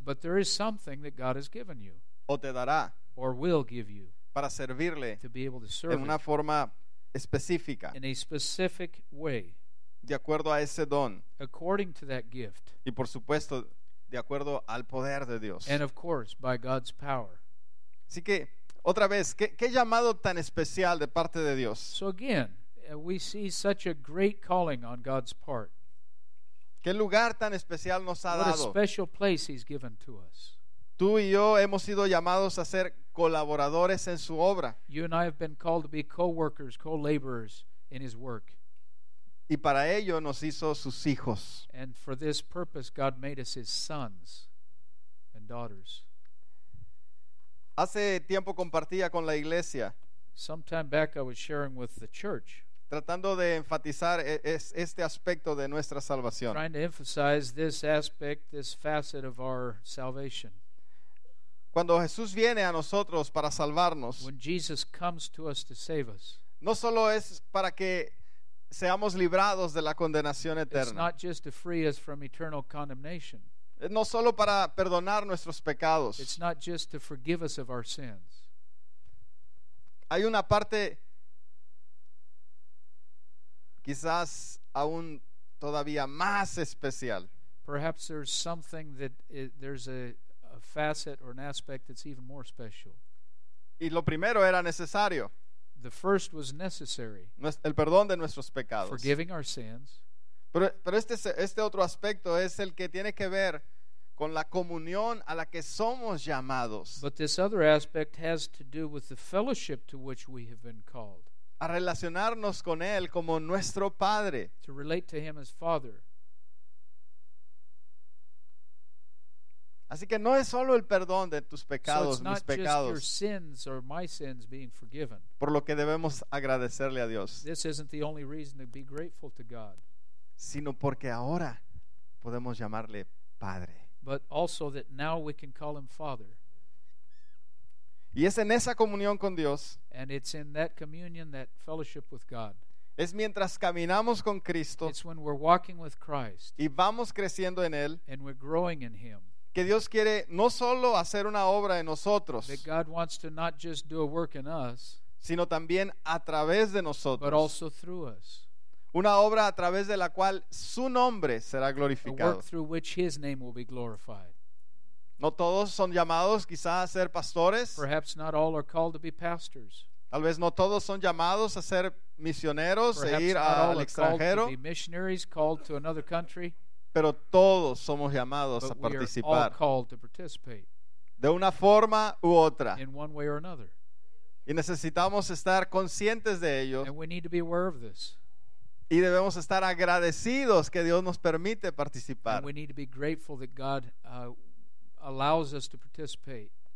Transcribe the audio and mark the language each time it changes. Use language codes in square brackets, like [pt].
[en] But there is something that God has given you. [es] O te dará. [en] Or will give you. [es] Para servirle. [en] To be able to serve. [es] En una forma específica. [en] In a specific way. [es] De acuerdo a ese don. [en] According to that gift. [es] Y por supuesto, de acuerdo al poder de Dios. [en] And of course, by God's power. [es] Así que, otra vez, ¿qué llamado tan especial de parte de Dios? [en] So again, we see such a great calling on God's part. [es] ¿Qué lugar tan especial nos ha [en] What [es] dado? [en] A special place He's given to us. [es] Tú y yo hemos sido llamados a ser colaboradores en su obra. [en] You and I have been called to be co-workers, co-laborers in His work. [es] Y para ello nos hizo sus hijos. [en] And for this purpose God made us His sons and daughters. [es] Hace tiempo compartía con la iglesia. [en] Some time back I was sharing with the church. [es] Tratando de enfatizar este aspecto de nuestra salvación. [en] Trying to emphasize this aspect, this facet of our salvation. [es] Cuando Jesús viene a nosotros para salvarnos. [en] When Jesus comes to us to save us. [es] No solo es para que seamos librados de la condenación eterna. [en] It's not just to free us from eternal condemnation. [es] No solo para perdonar nuestros pecados. [en] It's not just to forgive us of our sins. [es] Hay una parte quizás aún todavía más especial. [en] Perhaps there's something that there's a facet or an aspect that's even more special. [es] Y lo primero era necesario. [en] The first was necessary. [es] El perdón de nuestros pecados. [en] Forgiving our sins. [es] Pero este otro aspecto es el que tiene que ver con la comunión a la que somos llamados. [en] But this other aspect has to do with the fellowship to which we have been called. [es] a relacionarnos con Él como nuestro Padre. [en] To relate to Him as Father. [es] Así que no es solo el perdón de tus pecados, [en] so [es] mis pecados, [en] your sins or my sins being forgiven. [es] Por lo que debemos agradecerle a Dios. [en] This isn't the only reason to be grateful to God. [es] Sino porque ahora podemos llamarle Padre. [en] But also that now we can call Him Father. [es] Y es en esa comunión con Dios. [en] And it's in that communion, that fellowship with God. [es] Es mientras caminamos con Cristo. [en] It's when we're walking with Christ. [es] Y vamos creciendo en Él. [en] And we're growing in Him. [es] Que Dios quiere no solo hacer una obra en nosotros. [en] That God wants to not just do a work in us. [es] Sino también a través de nosotros. [en] But also through us. [es] Una obra a través de la cual su nombre será glorificado. [en] A work through which His name will be glorified. [es] No todos son llamados quizá a ser pastores. [en] Perhaps not all are called to be pastors. [es] Tal vez no todos son llamados a ser misioneros e ir al extranjero. [en] To be missionaries called to another country. [es] Pero todos somos llamados [en] but [es] a participar. [en] We are all called to participate. [es] De una forma u otra. [en] In one way or another. [es] Y necesitamos estar conscientes de ello. [en] And we need to be aware of this. [es] Y debemos estar agradecidos que Dios nos permite participar. [en] And we need to be grateful that God allows us to participate.